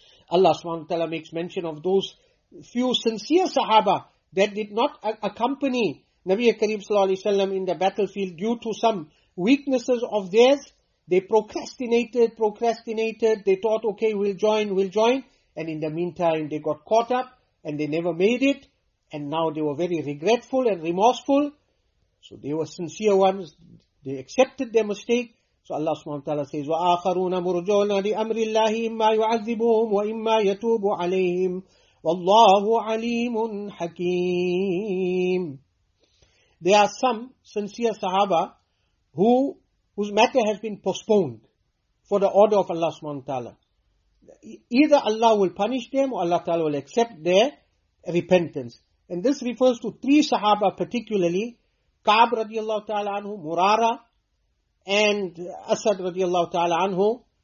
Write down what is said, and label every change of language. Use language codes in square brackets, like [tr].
[en] Allah subhanahu wa ta'ala makes mention of those few sincere sahaba that did not accompany Nabi Karim sallallahu alaihi wasallam in the battlefield due to some weaknesses of theirs. They procrastinated, they thought, okay, we'll join. And in the meantime, they got caught up and they never made it. And now they were very regretful and remorseful. So they were sincere ones. They accepted their mistake. So Allah subhanahu wa ta'ala says, [ar] وَآخَرُونَ مُرْجُونَ لِأَمْرِ اللَّهِ إِمَّا يُعَذِّبُهُمْ وَإِمَّا يَتُوبُ عَلَيْهِمْ وَاللَّهُ عَلِيمٌ حَكِيمٌ. [en] There are some sincere sahaba whose matter has been postponed for the order of Allah subhanahu wa ta'ala. Either Allah will punish them or Allah ta'ala will accept their repentance. And this refers to three sahaba particularly, Ka'b radiallahu ta'ala anhu, Murara, and Asad radiallahu ta'ala anhu.